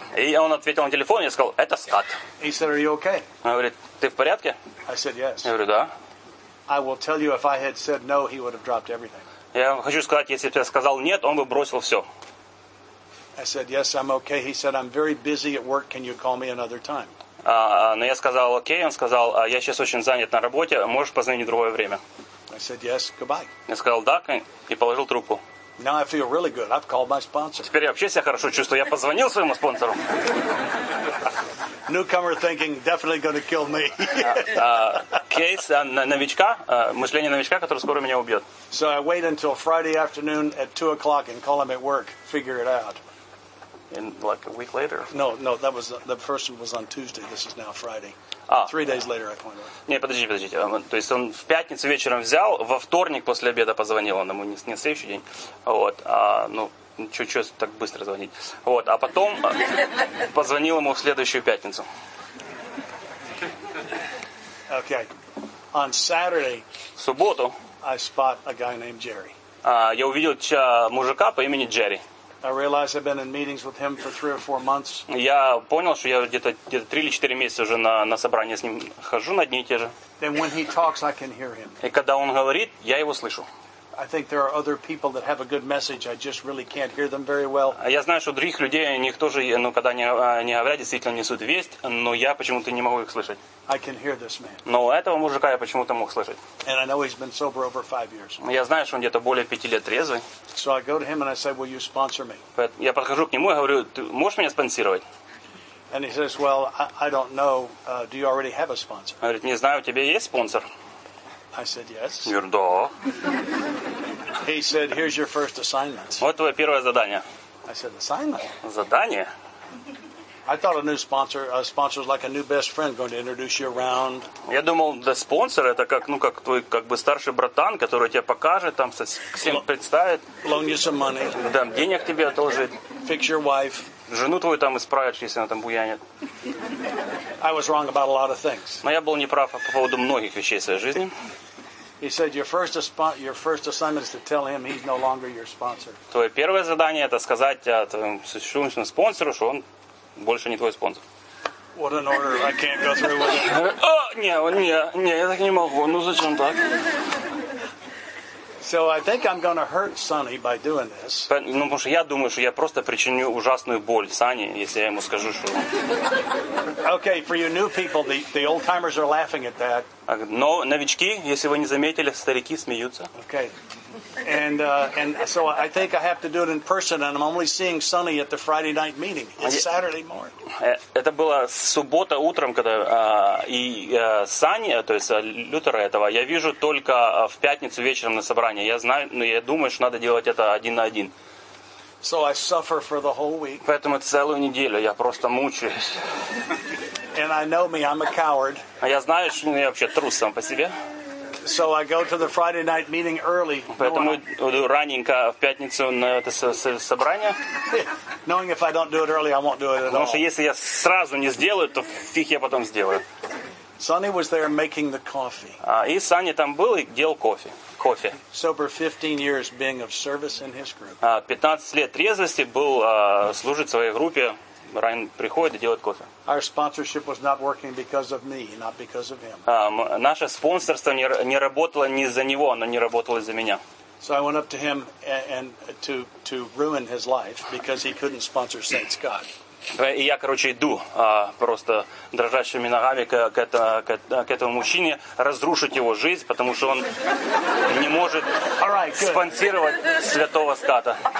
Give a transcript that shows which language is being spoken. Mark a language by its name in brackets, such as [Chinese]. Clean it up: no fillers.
[Russian] И он ответил на телефон. Я сказал, "Это Скотт." [English] He said, "Are you okay?" [Russian] Он говорит, "Ты в порядке?" [English] I said, "Yes." [Russian] Я говорю, "Да." [English] I will tell you, if I had said no, he would have dropped everything. [Russian] Я хочу сказать, если бы я сказал нет, он бы бросил все. [English] I said, "Yes, I'm okay." He said, "I'm very busy at work. Can you call me another time?" [Russian] Но я сказал, "Окей." Он сказал, "Я сейчас очень занят на работе. Можешь позвонить в другое время?" [English] I said, "Yes, goodbye." [Russian] Я сказал, "Да," и положил трубку. [English] Now I feel really good. I've called my sponsor. [Russian] Теперь я вообще себя хорошо чувствую. Я позвонил своему спонсору. [English] Newcomer thinking definitely going to kill me. [Russian] Кейс новичка, мышление новичка, который скоро меня убьет. [English] So I wait until Friday afternoon at 2 o'clock and call him at work. Figure it out. In like a week later. No, that was the first one was on Tuesday. This is now Friday. Three days later, I pointed out. [Russian] Не, подождите. То есть он в пятницу вечером взял, во вторник после обеда позвонил он ему, не следующий день. Вот. Чуть-чуть так быстро звонить. Вот. А потом позвонил ему в следующую пятницу. [English] Okay. On Saturday. [Russian] В субботу. [English] I spot a guy named Jerry. [Russian] Я увидел мужика по имени Джерри. [English] I realized I've been in meetings with him for 3 or 4 months. [Russian] Я понял, что я где-то 3 или 4 месяца уже на собрания с ним хожу на одни и те же. [English] And when he talks, I can hear him. [Russian] И когда он говорит, я его слышу. [English] I think there are other people that have a good message. I just really can't hear them very well. [Russian] Я знаю, что других людей, у них тоже, когда они говорят, действительно несут весть, но я почему-то не могу их слышать. [English] I can hear this man. [Russian] Но этого мужика я почему-то мог слышать. [English] And I know he's been sober over 5 years. [Russian] Я знаю, что он где-то более 5 лет трезвый. [English] So I go to him and I say, "Will you sponsor me?" [Russian] Я подхожу к нему и говорю, "Ты можешь меня спонсировать?" [English] And he says, "Well, I don't know. Do you already have a sponsor?" [Russian] Он говорит, "Не знаю, у тебя есть спонсор?" [English] I said, "Yes." [Russian] Я говорю, "Да." [English] He said, "Here's your first assignment." [Russian] Вот твое первое задание. [English] I said, "Assignment?" [Russian] Задание? [English] I thought a sponsor was like a new best friend going to introduce you around. [Russian] Я думал, да, спонсор это как, ну, как твой как бы старший братан, который тебе покажет, там всем представит. [English] Loan you some money. [Russian] Дам денег тебе одолжит. [English] Fix your wife. [Russian] Жену твою там исправишь, если она там буянит. [English] I was wrong about a lot of things. [Russian] Но я был неправ по поводу многих вещей в своей жизни. [English] He said, your first assignment is to tell him he's no longer your sponsor. [Russian] Твое первое задание это сказать твоему существующему спонсору, что он больше не твой спонсор. [English] What an order! I can't go through with it. [Russian] Не, я так не могу. Ну зачем так? [English] So I think I'm going to hurt Sonny by doing this. [Russian] Ну, потому что я думаю, что я просто причиню ужасную боль Сане, если я ему скажу, что. [English] Okay, for you new people, the old timers are laughing at that. [Russian] Но новички, если вы не заметили, старики смеются. [English] Okay. And so I think I have to do it in person, and I'm only seeing Sonny at the Friday night meeting. It's Saturday morning. [Russian] Это было суббота утром, когда и Сани, то есть Лютера этого, я вижу только в пятницу вечером на собрании. Я знаю, но я думаю, что надо делать это один на один. [English] So I suffer for the whole week. [Russian] Поэтому целую неделю я просто мучаюсь. [English] And I know me, I'm a coward. [Russian] А я знаю, что я вообще трус сам по себе. [English] So I go to the Friday night meeting early. [Russian] Поэтому иду раненько в пятницу на это собрание. [English] Knowing if I don't do it early, I won't do it at all. [Russian] Потому что если я сразу не сделаю, то фиг я потом сделаю. [English] Sonny was there making the coffee. [Russian] И Саня там был и делал кофе. [English] Sober 15 years being of service in his group. [Russian] 15 лет трезвости был служить в своей группе. Райан приходит и делает кофе. [English] Our sponsorship was not working because of me, not because of him. [Russian] Наше спонсорство не работало не из-за него, оно не работало из-за меня. [English] So I went up to him and to ruin his life because he couldn't sponsor Saint Scott. [Russian] И я, короче, иду просто дрожащими ногами к этому мужчине, разрушить его жизнь, потому что он не может спонсировать святого Ската.